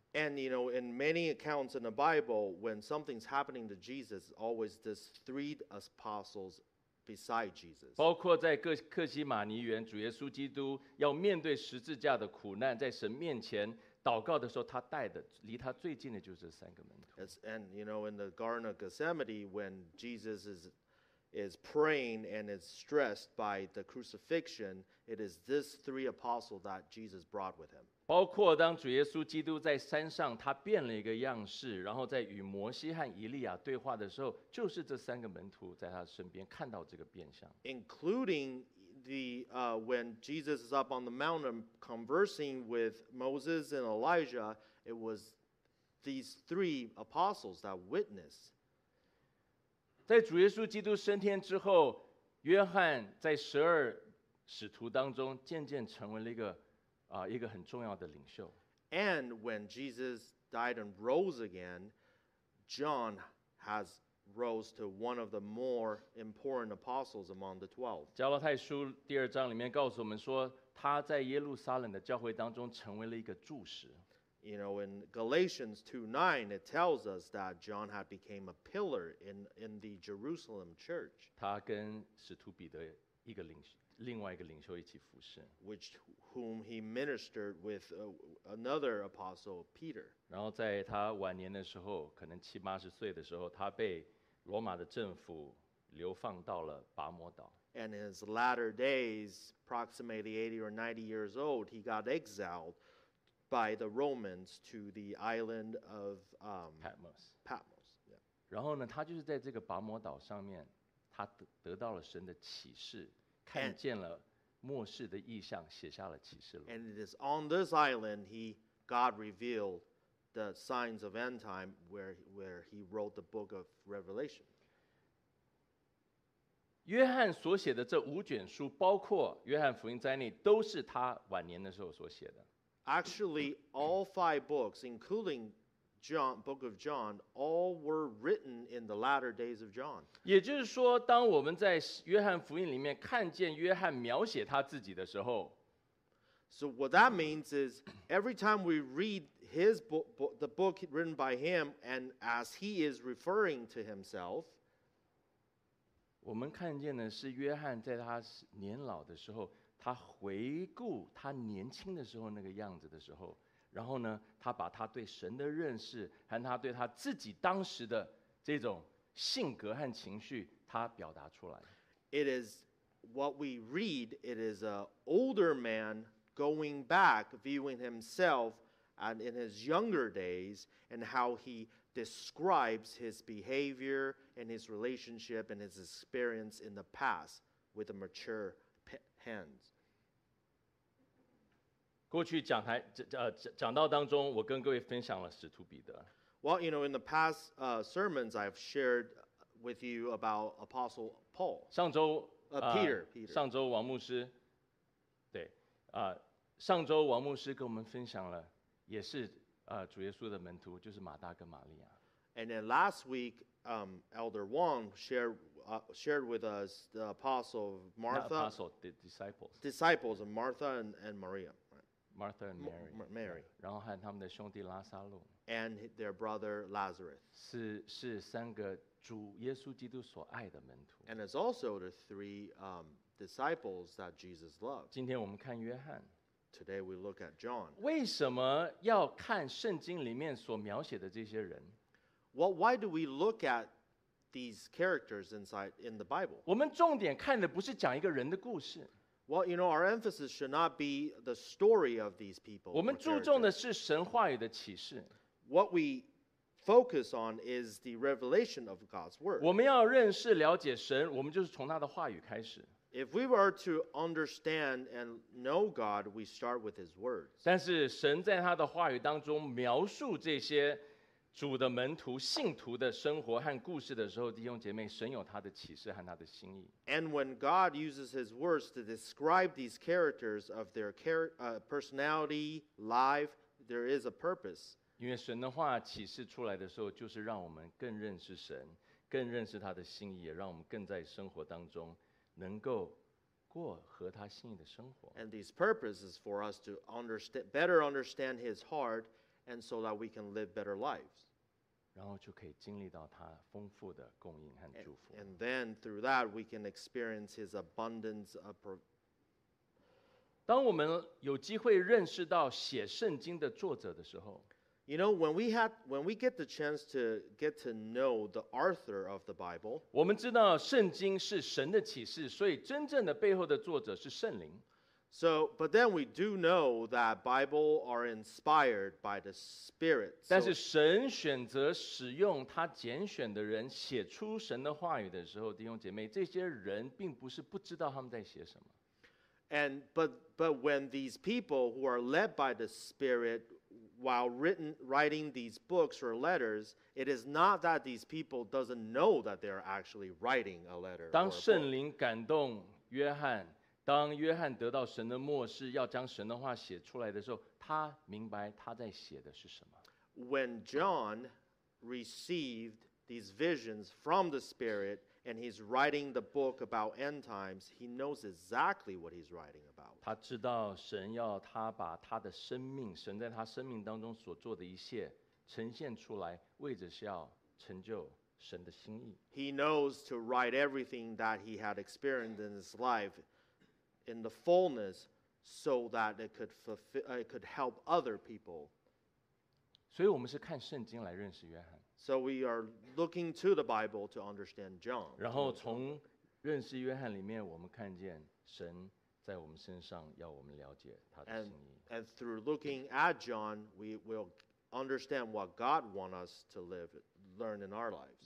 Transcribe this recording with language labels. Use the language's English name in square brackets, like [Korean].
[English] And you know, in many accounts in the Bible, when something's happening to Jesus, always these three apostles beside Jesus. [Chinese] 包括在客西马尼园，主耶稣基督要面对十字架的苦难，在神面前。祷告的时候，他带的离他最近的就是三个门徒。 [English] And you know, in the Garden of Gethsemane, when Jesus is praying and is stressed by the crucifixion, it is these three apostles that Jesus brought with him. [Chinese] 包括当主耶稣基督在山上，他变了一个样式，然后在与摩西和以利亚对话的时候，就是这三个门徒在他身边看到这个变相。 [English] Including when Jesus is up on the mountain conversing with Moses and Elijah, it was these three apostles that witnessed. [Chinese] 在主耶稣基督升天之后，约翰在十二使徒当中渐渐成为了一个很重要的领袖。 [English] And when Jesus died and rose again, John has rose to one of the more important apostles among the 12. [Chinese] 加拉太书第二章里面告诉我们说，他在耶路撒冷的教会当中成为了一个柱石。 [English] You know, in Galatians 2:9, it tells us that John had became a pillar in the Jerusalem church. [Chinese] 他跟使徒彼得一个另外一个领袖一起服侍。 [English] Which whom he ministered with another apostle, Peter. [Chinese] 然后在他晚年的时候，可能七八十岁的时候，他被罗马的政府流放到了拔摩岛。 [English] And in his latter days, approximately 80 or 90 years old, he got exiled by the Romans to the island of Patmos. Patmos. Yeah. [Chinese] 然后呢，他就是在这个拔摩岛上面，他得到了神的启示，看见了末世的异象，写下了启示录。 [English] And it is on this island he God revealed the signs of end time where he wrote the book of Revelation. [Chinese] 约翰所写的这五卷书，包括约翰福音在内，都是他晚年的时候所写的。 [English] Actually, all five books, including John, Book of John, all were written in the latter days of John. [Chinese] 也就是说，当我们在约翰福音里面看见约翰描写他自己的时候 [English] ，So what that means is every time we read his book, the book written by him, and as he is referring to himself. [Chinese] 我们看见的是约翰在他年老的时候，他回顾他年轻的时候那个样子的时候，然后呢，他把他对神的认识和他对他自己当时的这种性格和情绪，他表达出来。 [English] It is what we read. It is an older man going back, viewing himself and in his younger days, and how he. Describes his behavior and his relationship and his experience in the past with a mature hands. [Chinese] 过去讲台讲道当中，我跟各位分享了使徒彼得。 [English] Well, you know, in the past sermons, I've shared with you about Apostle Paul. [Chinese] 上周 [English] Peter. [Chinese] 上周王牧师，对，上周王牧师跟我们分享了，也是。主耶稣的门徒就是马大跟玛利亚。 [English] And then last week, Elder Wong shared with us the apostle of Martha. Not apostle, the disciples. Disciples of Martha and Maria. Martha and Mary. Mary. [Chinese] 然后和他们的兄弟拉撒路。 [English] And their brother Lazarus. [Chinese] 是三个主耶稣基督所爱的门徒。 [English] And it's also the three disciples that Jesus loved. [Chinese] 今天我们看约翰。 [English] Today we look at John. [Chinese] 为什么要看圣经里面所描写的这些人？ [English] Well, why do we look at these characters inside in the Bible? [Chinese] 我们重点看的不是讲一个人的故事。 [English] Well, you know, our emphasis should not be the story of these people. [Chinese] 我们注重的是神话语的启示。 [English] What we focus on is the revelation of God's word. [Chinese] 我们要认识了解神，我们就是从他的话语开始。 [English] If we were to understand and know God, we start with His words. [Chinese] 但是神在他的话语当中描述这些主的门徒、信徒的生活和故事的时候，弟兄姐妹，神有他的启示和他的心意。 [English] And when God uses His words to describe these characters of their personality, life, there is a purpose. [Chinese] 因为神的话启示出来的时候，就是让我们更认识神，更认识他的心意，也让我们更在生活当中。能够过合他心意的生活。 [English] And these purposes for us to better understand his heart and so that we can live better lives. [Chinese] 然后就可以经历到他丰富的供应和祝福。 [English] And then through that we can experience his abundance of [Chinese] 当我们有机会认识到写圣经的作者的时候 [English] You know, when we get the chance to get to know the author of the Bible, [Chinese] 我们知道圣经是神的启示，所以真正的背后的作者是圣灵。 [English] So, but then we do know that Bible are inspired by the Spirit. [Chinese] 但是神选择使用他拣选的人写出神的话语的时候，弟兄姐妹，这些人并不是不知道他们在写什么。 [English] And but when these people who are led by the Spirit while writing these books or letters, it is not that these people doesn't know that they are actually writing a letter. [Chinese] 当圣灵感动约翰，当约翰得到神的默示，要将神的话写出来的时候，他明白他在写的是什么。 [English] When John received these visions from the Spirit and he's writing the book about end times, he knows exactly what he's writing about. [Chinese] 他知道神要他把他的生命，神在他生命当中所做的一切呈现出来，为着是要成就神的心意。 [English] He knows to write everything that he had experienced in his life in the fullness so that it could help other people. [Chinese] 所以我们是看圣经来认识约翰。 [English] So we are looking to the Bible to understand John. [Chinese] 然后从认识约翰里面，我们看见神在我们身上要我们了解他的心意。 [English] And through looking at John, we will understand what God wants us to learn in our lives.